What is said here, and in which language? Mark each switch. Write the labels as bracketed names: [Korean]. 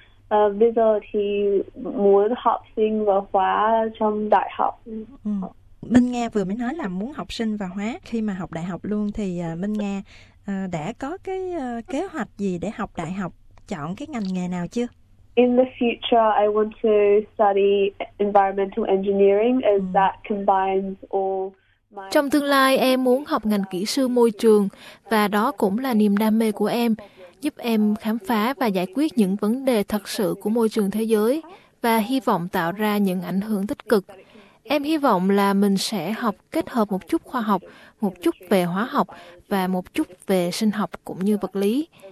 [Vietnamese] Bây giờ thì muốn học sinh và hóa trong đại học. Minh Nga vừa mới nói là muốn học sinh và hóa. Khi mà học đại học luôn thì Minh Nga đã có cái kế hoạch gì để học đại học, chọn cái ngành nghề nào chưa? [English] In the future, I want to study environmental engineering as that combines all. [Vietnamese] Trong tương lai em muốn học ngành kỹ sư môi trường và đó cũng là niềm đam mê của em, giúp em khám phá và giải quyết những vấn đề thật sự của môi trường thế giới và hy vọng tạo ra những ảnh hưởng tích cực. Em hy vọng là mình sẽ học kết hợp một chút khoa học, một chút về hóa học và một chút về sinh học cũng như vật lý.